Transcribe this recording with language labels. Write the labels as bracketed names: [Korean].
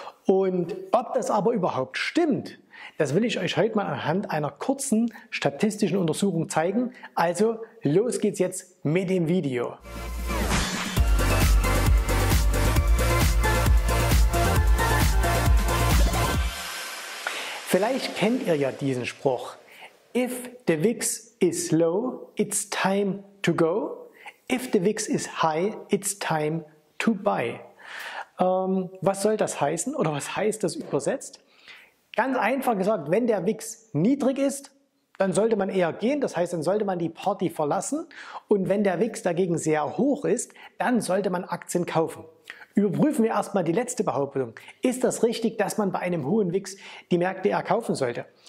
[German] Und ob das aber überhaupt stimmt, das will ich euch heute mal anhand einer kurzen statistischen Untersuchung zeigen. Also los geht's jetzt mit dem Video. Vielleicht kennt ihr ja diesen Spruch. [English] If the VIX is low, it's time to go. If the VIX is high, it's time to buy. [German] Was soll das heißen oder was heißt das übersetzt? Ganz einfach gesagt, wenn der VIX niedrig ist, dann sollte man eher gehen, das heißt, dann sollte man die Party verlassen. Und wenn der VIX dagegen sehr hoch ist, dann sollte man Aktien kaufen. Überprüfen wir erstmal die letzte Behauptung. Ist das richtig, dass man bei einem hohen VIX die Märkte eher kaufen sollte?